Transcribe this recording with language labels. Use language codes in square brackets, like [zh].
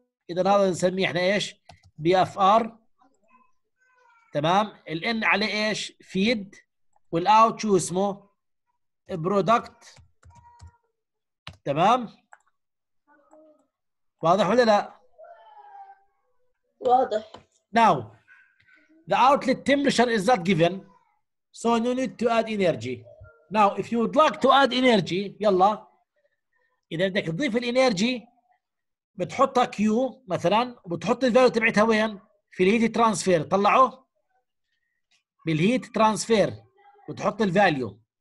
[ar] اذا هذا نسميه احنا ايش؟ بي اف ار تمام؟ الان عليه ايش؟ فيد والاوت شو اسمه؟ برودكت تمام؟ واضح ولا لا؟ واضح. [en] Now, the outlet temperature is not given, so you need to add energy. Now, if you would like to add energy, [ar] يلا, إذا بدك تضيف الإنرجي, بتحطها Q مثلاً, وبتحط الفاليو تبعتها وين؟ في الهيت ترانسفير, طلعوا بالهيت ترانسفير, وتحط الفاليو.